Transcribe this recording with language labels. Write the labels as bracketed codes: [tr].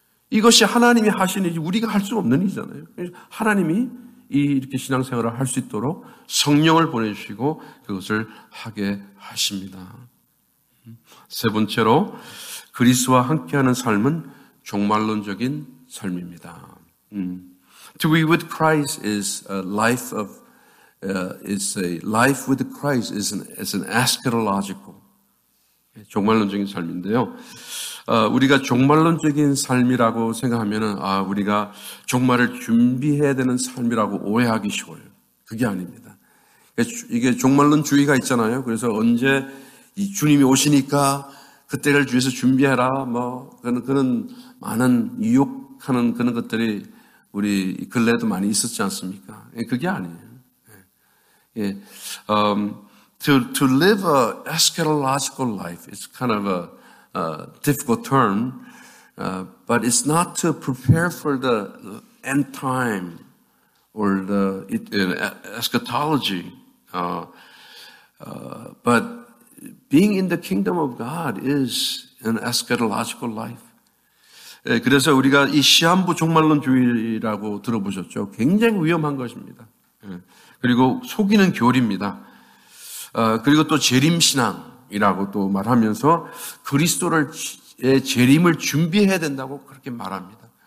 [ko] 이것이 하나님이 하신 일이 우리가 할 수 없는 일이잖아요. 하나님이 이렇게 신앙생활을 할 수 있도록 성령을 보내주시고 그것을 하게 하십니다. 세 번째로 그리스도와 함께하는 삶은 종말론적인 삶입니다. [en] To be with Christ is a life of is a life with Christ is an eschatological [ko] 종말론적인 삶인데요. 우리가 종말론적인 삶이라고 생각하면은 우리가 종말을 준비해야 되는 삶이라고 오해하기 쉬워요. 그게 아닙니다. 이게 종말론주의가 있잖아요. 그래서 언제 이 주님이 오시니까 그때를 위해서 준비해라 뭐 그런 많은 유혹하는 그런 것들이 우리 근래에도 많이 있었지 않습니까? 그게 아니에요. [en] 예, to live a eschatological life is kind of a difficult term, but it's not to prepare for the end time or eschatology. But being in the kingdom of God is an eschatological life. [ko] 예, 그래서 우리가 이 시한부 종말론주의라고 들어보셨죠? 굉장히 위험한 것입니다. 예. 그리고 속이는 교리입니다. 그리고 또 재림신앙이라고 또 말하면서 그리스도의 재림을 준비해야 된다고 그렇게 말합니다.